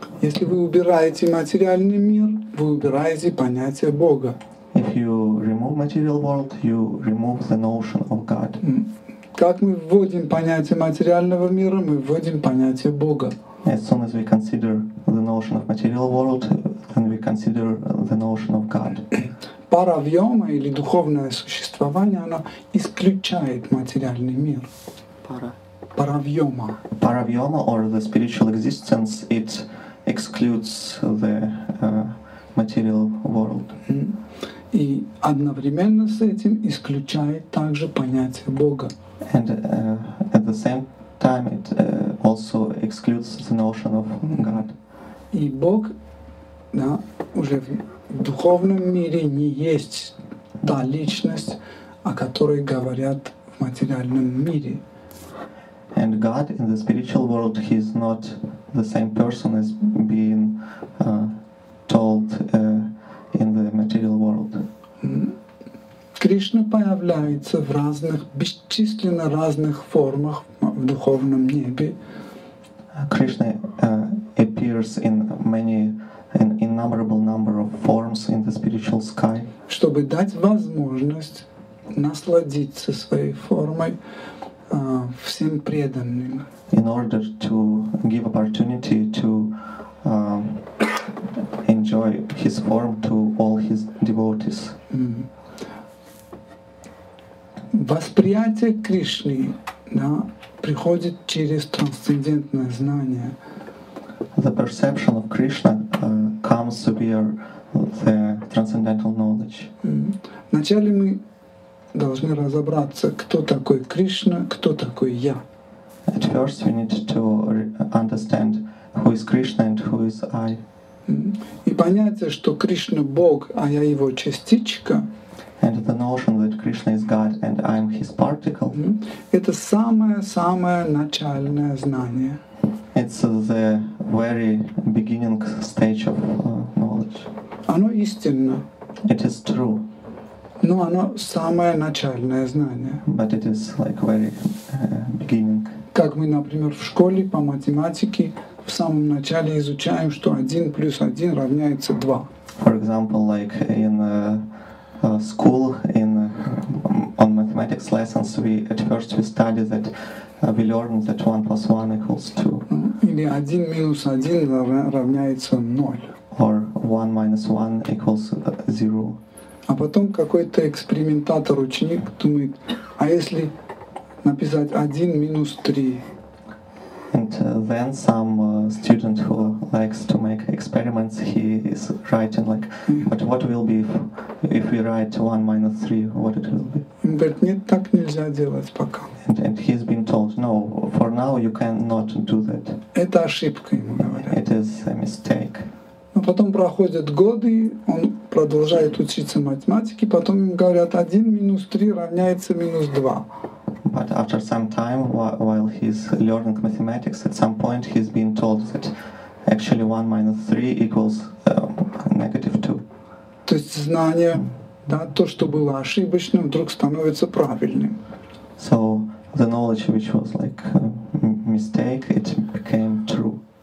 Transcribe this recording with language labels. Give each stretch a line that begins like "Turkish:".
Russian: Если вы убираете материальный мир, вы убираете понятие Бога.
English: If you remove material world, you remove the notion of God.
Russian: Как мы вводим понятие материального мира, мы вводим понятие Бога.
English: As soon as we consider the notion of material world, then we consider the notion of God.
Russian: Пара вьома или духовное существование, оно исключает материальный мир.
Sanskrit: Паравьома
English: or the spiritual existence, it excludes the material world.
Russian: И одновременно с этим исключает также понятие Бога.
English: And at the same time, it also excludes the notion of God.
Russian: И Бог, да, уже в духовном мире не есть та личность, о которой говорят в материальном мире.
English: And God in the spiritual world, he is not the same person as being told in the material world.
Russian: Кришна появляется в разных, бесчисленно разных формах в духовном небе.
English: Кришна appears in many, in innumerable number of forms in the spiritual sky.
Russian: Чтобы дать возможность насладиться своей формой всем преданным.
English: In order to give opportunity to enjoy his form to all his devotees. Mm-hmm.
Russian: Восприятие Кришны, да, приходит через трансцендентное знание.
English: The perception of Krishna comes via the transcendental knowledge.
Russian: Вначале мы должны разобраться, кто такой Кришна, кто такой я.
English: At first we need to understand who is Krishna and who is I.
Russian: И понятие, что Кришна Бог, а я его частичка.
English: And the notion that Krishna is God and I am his particle.
Russian: Это самое-самое начальное знание.
English: It's the very beginning stage of knowledge.
Russian: Оно истинно.
English: It is true.
Russian: Но оно самое начальное знание.
English: But it is like very beginning.
Russian: Как мы, например, в школе по математике в самом начале изучаем, что 1 плюс 1 равняется 2.
English: For example, like in school, in on mathematics lessons, we study that we learn that 1 plus 1 equals 2.
Russian: Или 1 минус 1 равняется 0.
English: Or 1 minus 1 equals 0.
Russian: А потом какой-то экспериментатор, ученик думает, а если написать 1 минус 3?
English: And then some student who likes to make experiments, he is writing like, but what will be if we write 1 minus 3, what it will be?
Russian: Он говорит, нет, так нельзя делать пока.
English: And he's been told, no, for now you cannot do that.
Russian: Это ошибка, ему говорят.
English: It is a mistake.
Russian: Но потом проходят годы, он продолжает учиться математике, потом им говорят, 1 минус 3 равняется минус 2.
English: But after some time, while he's learning mathematics, at some point he's been told that actually 1 minus 3 equals negative 2.
Russian: То есть знание, да, то, что было ошибочным, вдруг становится правильным.
English: So the knowledge which was like a mistake, it became true.